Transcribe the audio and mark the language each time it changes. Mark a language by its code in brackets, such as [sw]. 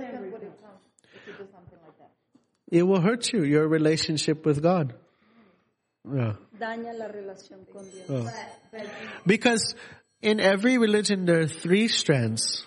[en] What kind of pain would it come if you do something like that? It will hurt you, your relationship with God. Yeah. [es] Daña la relación con Dios. [en] Yeah. Because in every religion there are three strands.